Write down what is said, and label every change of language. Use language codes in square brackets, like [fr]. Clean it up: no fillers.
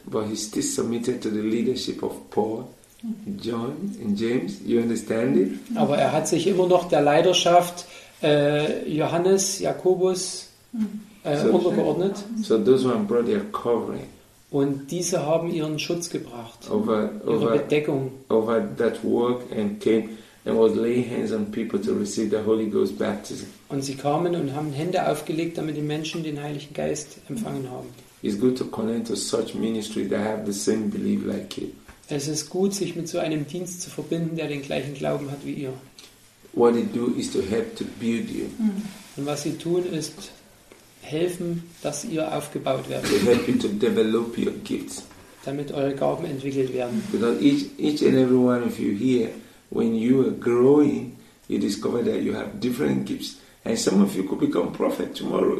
[en] But he still submitted to the leadership of Paul. John and James, you understand it? [de] Aber er hat sich immer noch der Leiterschaft Johannes, Jakobus untergeordnet. [en] So those one brought their covering. [de] Und diese haben ihren Schutz gebracht, ihre Bedeckung. [en] Over that work and came and was laying hands on people to receive the Holy Ghost baptism. [de] Und sie kamen und haben Hände aufgelegt, damit die Menschen den Heiligen Geist empfangen haben. [en] It's good to connect to such ministry that have the same belief like you. [de] Es ist gut, sich mit so einem Dienst zu verbinden, der den gleichen Glauben hat wie ihr. [en] What they do is to help to build you. [de] Und was sie tun, ist helfen, dass ihr aufgebaut werdet. [en] They help you to develop your gifts. [de] Damit eure Gaben entwickelt werden. [en] Because each and every one of you here, when you are growing, you discover that you have different gifts. And some of you could become prophet tomorrow.